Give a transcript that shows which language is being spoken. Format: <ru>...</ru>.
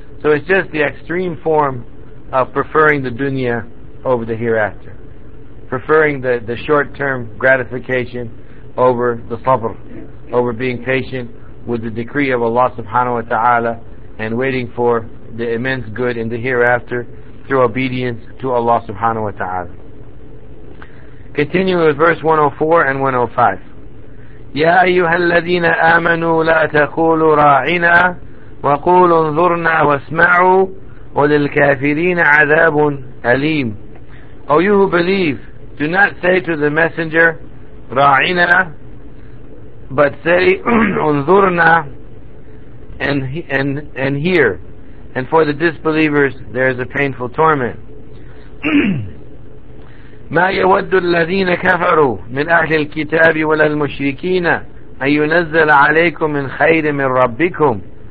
<en>So it's just the extreme form of preferring the dunya over the hereafter, preferring the short-term gratification over the sabr, over being patient with the decree of Allah subhanahu wa ta'ala and waiting for the immense good in the hereafter through obedience to Allah subhanahu wa ta'ala. Continuing with verse 104 and 105.</en> <ar>يَا أَيُّهَا الَّذِينَ آمَنُوا لَا تَقُولُوا رَاعِنَا وَقُولُوا انظُرْنَا وَاسْمَعُوا وَلِلْكَافِرِينَ عَذَابٌ أَلِيمٌ.</ar> <en>O you who believe, do not say to the messenger, Ra'ina, but say, Unzurna, and hear. And for the disbelievers, there is a painful torment.</en> <ar>مَا يَوَدُّ الَّذِينَ كَفَرُوا مِنْ أَهْلِ الْكِتَابِ وَلَا الْمُشْرِكِينَ أَنْ يُنَزَّلَ عَلَيْكُمْ مِنْ خَيْرٍ مِنْ رَبِّكُمْ.</ar>